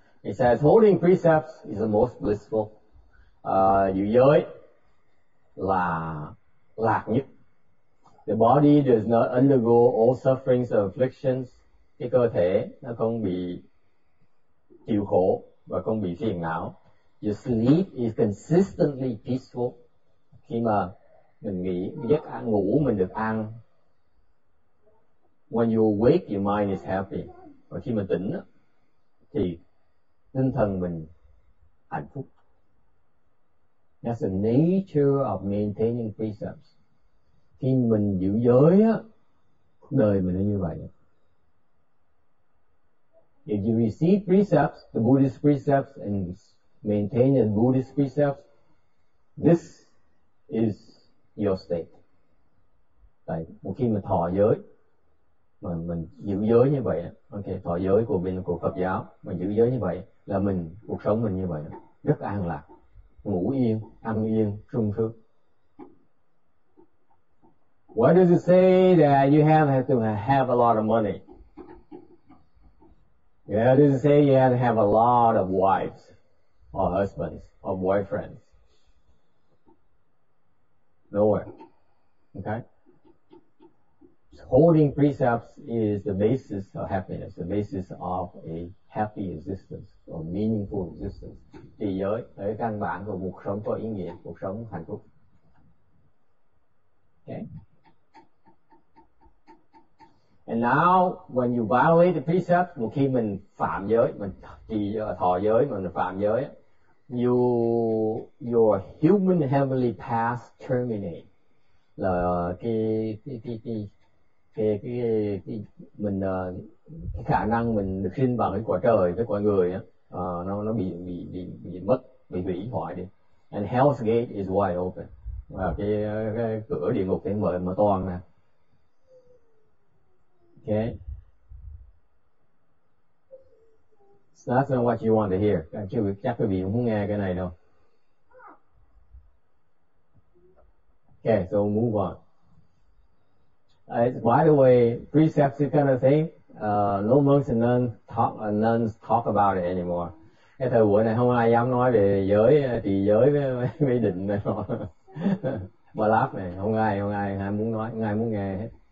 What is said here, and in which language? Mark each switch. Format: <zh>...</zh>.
<en>He says holding precepts is the most blissful.</en> <vi>Giữ giới là lạc nhất.</vi> <en>The body does not undergo all sufferings and afflictions.</en> <vi>Cái cơ thể nó không bị chịu khổ và không bị phiền não.</vi> <en>Your sleep is consistently peaceful.</en> <vi>Khi mà mình nghỉ, giấc ăn, ngủ mình được an.</vi> <en>When you awake, your mind is happy.</en> <vi>Và khi mà tỉnh, thì tinh thần mình hạnh phúc.</vi> <en>That's the nature of maintaining precepts.</en> <vi>Khi mình giữ giới, đời mình nó như vậy.</vi> <en>If you receive precepts, the Buddhist precepts, and maintain the Buddhist precepts, this is your state.</en> <vi>Tại một khi mà thọ giới, mà mình giữ giới như vậy, okay, thọ giới của bên của Phật giáo, mình giữ giới như vậy, là mình cuộc sống mình như vậy, rất an lạc, ngủ yên, ăn yên, sung sướng.</vi> <en>What does it say that you have to have a lot of money? Yeah, it doesn't say you have to have a lot of wives or husbands or boyfriends. Nowhere. Okay? holding precepts is the basis of happiness, the basis of a happy existence or meaningful existence.</en> <vi>Thì giới là cái căn bản của cuộc sống có ý nghĩa, cuộc sống hạnh phúc.</vi> <en>Okay. And now, when you violate the precepts,</en> <vi>một khi mình phạm giới,</vi> <en>mình trì thọ giới, mình phạm giới, your human heavenly path terminate.</en> <vi>Là cái khả năng mình được sinh vào cái quả trời với quả người á, nó bị mất, bị hủy hoại đi.</vi> <en>And hell's gate is wide open.</en> <vi>Và cái cửa địa ngục đang mở toang nè.</vi> <en>Okay. So that's not what you want to hear.</en> <vi>Chắc quý vị không nghe cái này đâu.</vi> <en>Okay, so move on. By the way, precepts is kind of thing. No monks and nuns talk about it anymore.</en> <vi>Cái thời buổi này không ai dám nói về giới, thì giới mới định này nó. Bà láp này, không ai muốn nói, không ai muốn nghe hết.</vi>